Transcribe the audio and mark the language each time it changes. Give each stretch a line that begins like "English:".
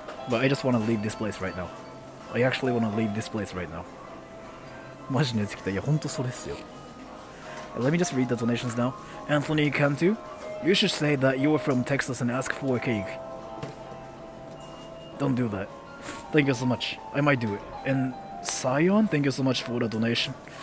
English: But I just want to leave this place right now. I actually want to leave this place right now.
Japanese: マジ熱きた。いや、本当そうですよ。
English: Let me just read the donations now. Anthony Cantu, you should say that you are from Texas and ask for a cake. Don't do that. Thank you so much. I might do it. And Sion, thank you so much for the donation.